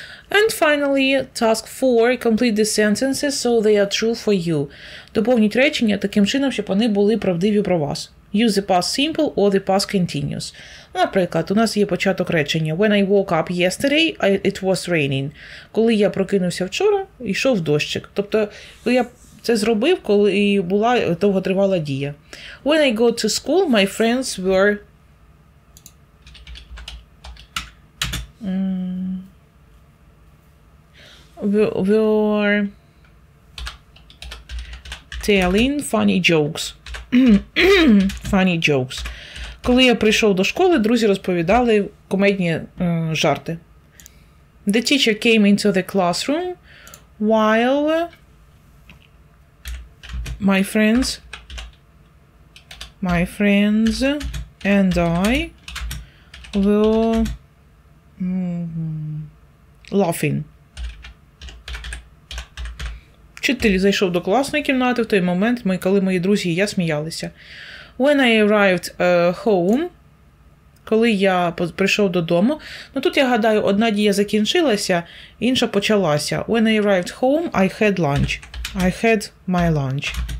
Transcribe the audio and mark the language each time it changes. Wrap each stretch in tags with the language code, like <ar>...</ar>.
<en>And finally, task 4, complete the sentences so they are true for you.</en> <uk>Доповніть речення таким чином, щоб вони були правдиві про вас.</uk> <en>Use the past simple or the past continuous.</en> <uk>Наприклад, у нас є початок речення.</uk> <en>When I woke up yesterday, it was raining.</en> <uk>Коли я прокинувся вчора, йшов дощик. Тобто, я це зробив, коли була довготривала дія.</uk> <en>When I go to school, my friends were... We're telling funny jokes. Funny jokes.</en> <uk>Коли я прийшов до школи, друзі розповідали комедні жарти.</uk> <en>The teacher came into the classroom while my friends and I were laughing.</en> <uk>Вчитель зайшов до класної кімнати в той момент, коли мої друзі і я сміялися. When I arrived home, коли я прийшов додому, ну тут я гадаю, одна дія закінчилася, інша почалася.</uk> <en>When I arrived home, I had lunch. I had my lunch.</en>